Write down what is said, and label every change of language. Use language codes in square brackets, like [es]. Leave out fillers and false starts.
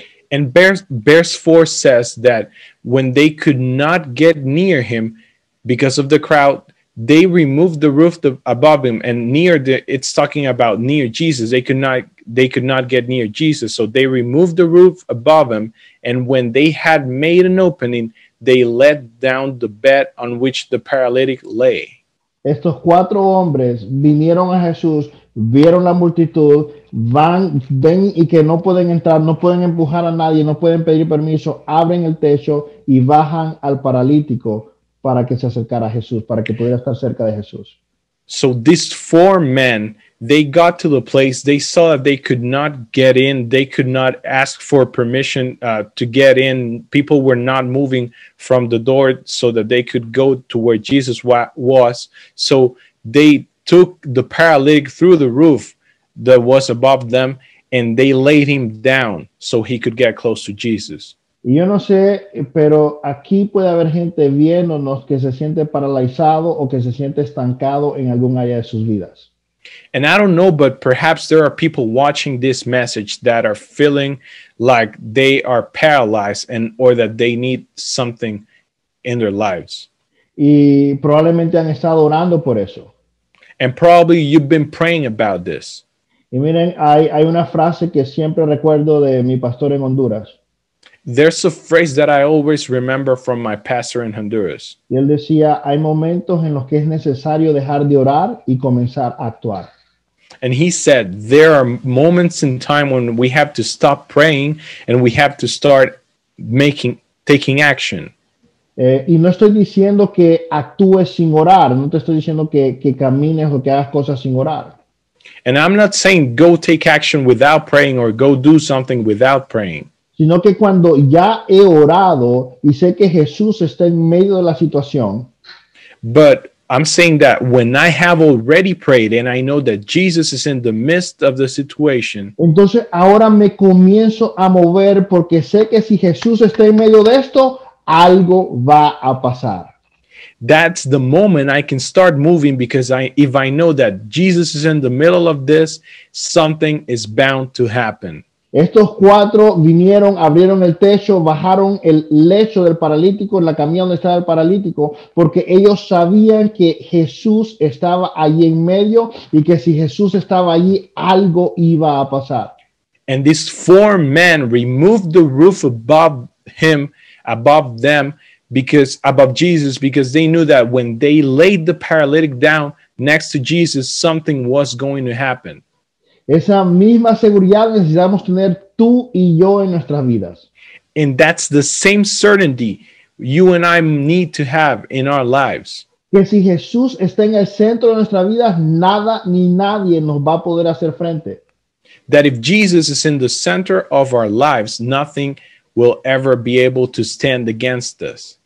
[en] And verse 4 says that when they could not get near him because of the crowd, they removed the roof above him and it's talking about near Jesus. They could not get near Jesus. So they removed the roof above him. And when they had made an opening, they let down the bed on which the paralytic lay. [es] Estos cuatro hombres vinieron a Jesús, vieron la multitud, van, ven y que no pueden entrar, no pueden empujar a nadie, no pueden pedir permiso, abren el techo y bajan al paralítico para que se acercara a Jesús, para que pudiera estar cerca de Jesús. [en] So these four men, they got to the place, they saw that they could not get in, they could not ask for permission to get in. People were not moving from the door so that they could go to where Jesus was. So they took the paralytic through the roof that was above them and they laid him down so he could get close to Jesus. [es] Yo no sé, pero aquí puede haber gente viéndonos que se siente paralizado o que se siente estancado en algún área de sus vidas. [en] And I don't know, but perhaps there are people watching this message that are feeling like they are paralyzed and or that they need something in their lives. [es] Y probablemente han estado orando por eso. [en] And probably you've been praying about this. [es] Y miren, hay una frase que siempre recuerdo de mi pastor en Honduras. [en] There's a phrase that I always remember from my pastor in Honduras. [es] Y él decía, hay momentos en los que es necesario dejar de orar y comenzar a actuar. [en] And he said, there are moments in time when we have to stop praying and we have to start taking action. [es] Y no estoy diciendo que actúes sin orar. No te estoy diciendo que camines o que hagas cosas sin orar. [en] And I'm not saying go take action without praying or go do something without praying. [es] Sino que cuando ya he orado y sé que Jesús está en medio de la situación. [en] But I'm saying that when I have already prayed and I know that Jesus is in the midst of the situation. [es] Entonces ahora me comienzo a mover porque sé que si Jesús está en medio de esto, algo va a pasar. [en] That's the moment I can start moving because if I know that Jesus is in the middle of this, something is bound to happen. [es] Estos cuatro vinieron, abrieron el techo, bajaron el lecho del paralítico, la camilla donde estaba el paralítico, porque ellos sabían que Jesús estaba allí en medio y que si Jesús estaba allí, algo iba a pasar. [en] And these four men removed the roof above him, above them, because above Jesus, because they knew that when they laid the paralytic down next to Jesus, something was going to happen. [es] Esa misma seguridad necesitamos tener tú y yo en nuestras vidas. [en] And that's the same certainty you and I need to have in our lives. [es] Que si Jesús está en el centro de nuestras vidas, nada ni nadie nos va a poder hacer frente. [en] That if Jesus is in the center of our lives, nothing will ever be able to stand against us.